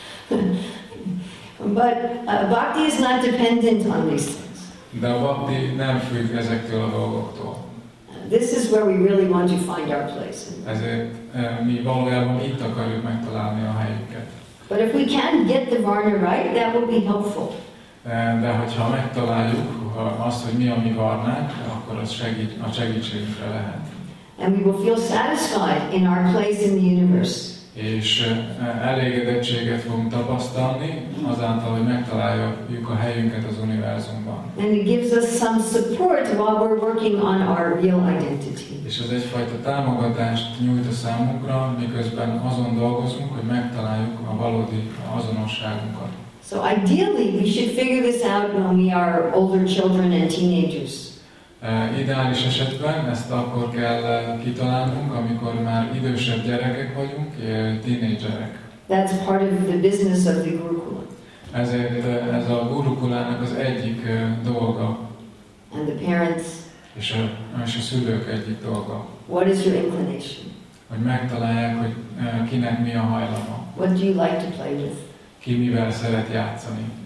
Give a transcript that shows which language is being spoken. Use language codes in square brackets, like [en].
[en] But bhakti is not dependent on these things. [hu] De a bhakti nem függ ezektől a dolgoktól. [en] This is where we really want to find our place. [hu] Ezért mi valójában itt akarjuk megtalálni a helyünket. [en] But if we can get the varna right, that will be helpful. [hu] De hogyha megtaláljuk azt, hogy mi a mi varnánk, akkor az segít, a segítségünkre lehet. [en] And we will feel satisfied in our place in the universe. [hu] És elégedettséget fogunk tapasztalni azáltal, hogy megtaláljuk a helyünket az univerzumban. [en] And it gives us some support while we're working on our real identity. [hu] És ez egyfajta támogatást nyújt a számunkra, miközben azon dolgozunk, hogy megtaláljuk a valódi azonosságunkat. [en] So ideally we should figure this out when we are older children and teenagers. [hu] Ideális esetben ezt akkor kell kitalálnunk, amikor már idősebb gyerekek vagyunk, tínédzserek. [en] That's part of the business of the gurukula. [hu] Ezért ez a gurukulának az egyik dolga. [en] And the parents. [hu] És a szülők egyik dolga. [en] What is your inclination? [hu] Hogy megtalálják, hogy kinek mi a hajlama. [en] What do you like to play with? [hu] Ki mivel szeret játszani.